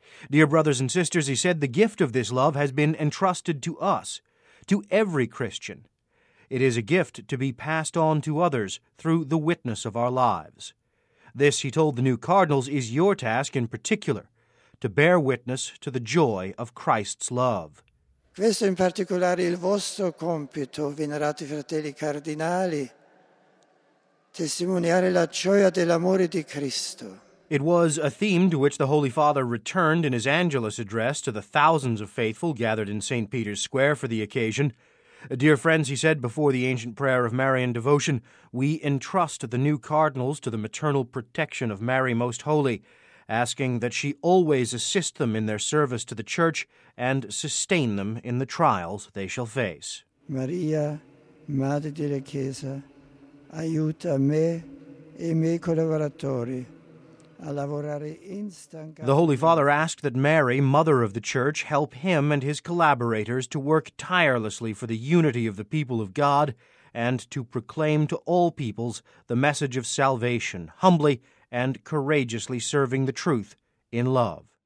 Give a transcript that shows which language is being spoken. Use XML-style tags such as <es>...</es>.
<en>Dear brothers and sisters, he said, the gift of this love has been entrusted to us, to every Christian. It is a gift to be passed on to others through the witness of our lives. This, he told the new cardinals, is your task in particular, to bear witness to the joy of Christ's love.</en> <it>Questo in particolare è il vostro compito, venerati fratelli cardinali. Testimoniare la gioia dell'amore di Cristo.</it> <en>It was a theme to which the Holy Father returned in his Angelus address to the thousands of faithful gathered in St. Peter's Square for the occasion. Dear friends, he said before the ancient prayer of Marian devotion, we entrust the new cardinals to the maternal protection of Mary Most Holy, asking that she always assist them in their service to the Church and sustain them in the trials they shall face.</en> <it>Maria, Madre della Chiesa, aiuta me e i miei collaboratori a lavorare instancabilmente.</it> <en>The Holy Father asked that Mary, Mother of the Church, help him and his collaborators to work tirelessly for the unity of the people of God and to proclaim to all peoples the message of salvation, humbly and courageously serving the truth in love.</en>